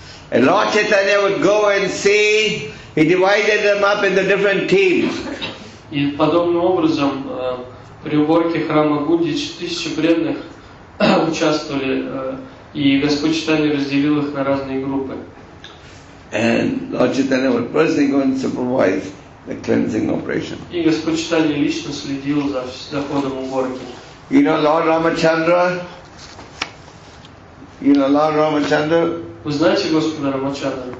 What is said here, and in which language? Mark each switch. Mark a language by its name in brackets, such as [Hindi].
[English] And Lord Chaitanya would go and see, he divided them up into different teams. [Russian] И подобным образом, при уборке храма Гундич, тысячи преданных участвовали, и Господь Чайтанья разделил их на разные группы. [English] And Lord Chaitanya would personally go and supervise the cleansing operation. [Russian] И Господь Читание лично следил за заходом уборки. [English] You know, Lord Ramachandra. You know, Lord Ramachandra. [Russian] Вы знаете Господа Рамачандру?